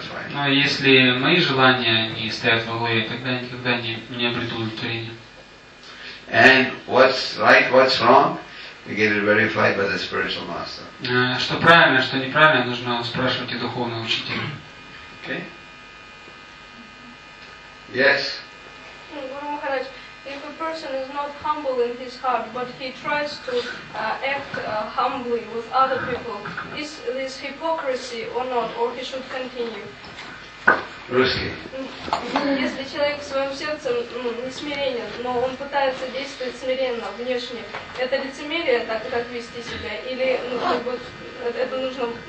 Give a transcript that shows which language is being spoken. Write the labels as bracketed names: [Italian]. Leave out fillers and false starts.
[Russian] Но если мои желания не стоят во главе, тогда я никогда не обрету удовлетворение. [English] And what's right, what's wrong, we get it verified by the spiritual master. [Russian] Что правильно, что неправильно, нужно спрашивать у духовного учителя. [English] Okay. Yes. Guru Maharaj, if a person is not humble in his heart, but he tries to act humbly with other people, is this hypocrisy or not, or he should continue? [Russian] Русский. Если человек в своем сердце не смиренен, но он пытается действовать смиренно внешне, это лицемерие, так вести себя, или это нужно?